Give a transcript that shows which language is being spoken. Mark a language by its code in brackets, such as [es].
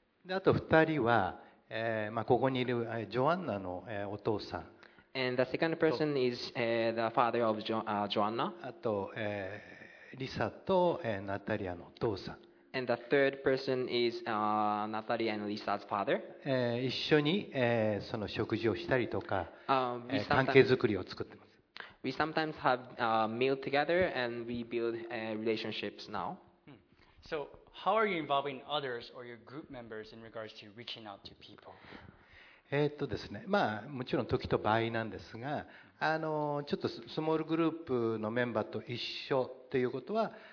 [ja] あと二人は、まあ、ここにいるジョアンナの、お父さん。 [en] And the second person is the father of Joanna. [ja] あと、リサと、ナタリアのお父さん。 [en] And the third person is Natalia and Lisa's father. [ja] 一緒に、その食事をしたりとか、関係作りを作ってます。 [en] We sometimes have a meal together and we build relationships now. So, how are you involving others or your group members in regards to reaching out to people? [ja] ですね、まあもちろん時と場合なんですが、ちょっとスモールグループのメンバーと一緒ということは。